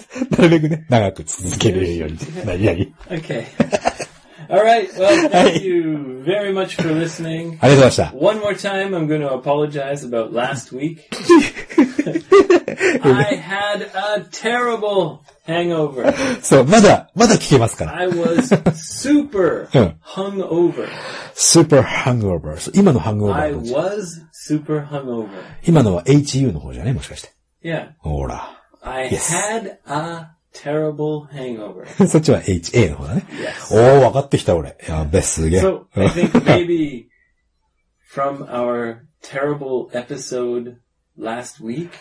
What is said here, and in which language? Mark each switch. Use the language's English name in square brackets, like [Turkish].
[Japanese] なるべくね、長く続けるように。なになに [English] Okay. Alright, well, thank you very much for listening. [Japanese] ありがとうございました。 [English] One more time, I'm going to apologize about last week. I had a terrible hangover. [Japanese] そう、まだ聞けますから。 [English] I was super hungover. super hangover. [Japanese] 今の [English] hangover。 I was super hungover. [Japanese] 今のは HU の方じゃね、もしかして。 [English] Yeah. [Japanese] ほら。 [English] I had a terrible hangover. [Japanese] そっちは HA の方だね。 [English] Yes. [Japanese] おー、分かってきた俺。やべ、すげえ。 [English] So, I think maybe from our terrible episode last week.